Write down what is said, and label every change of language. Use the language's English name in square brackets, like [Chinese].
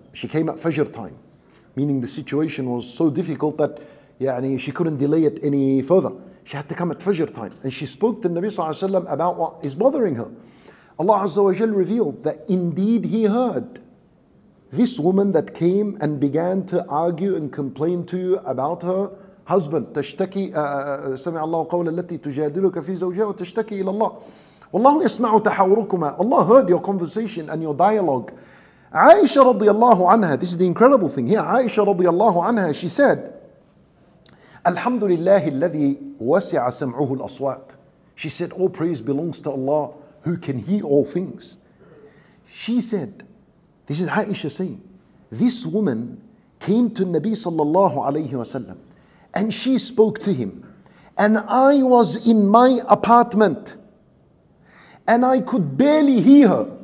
[English] She came at Fajr time, meaning the situation was so difficult that she couldn't delay it any further. She had to come at Fajr time. And she spoke to Nabi sallallahu alayhi wa sallam about what is bothering her. Allah Azza wa Jal revealed that indeed he heard this woman that came and began to argue and complain to you about her husband. [Arabic] تشتكي سمع الله قول التي تجادلك في زوجها وتشتكي إلى الله والله يسمع تحاوركما [English] Allah heard your conversation and your dialogue. Aisha radiallahu anha, this is the incredible thing here. Aisha radiallahu anha, she said, Alhamdulillah [Arabic] الذي وسع سمعه الأصوات. [English] She said, all praise belongs to Allah who can hear all things. She said, this is Aisha saying, this woman came to Nabi sallallahu alayhi wa sallam and she spoke to him and I was in my apartment and I could barely hear her.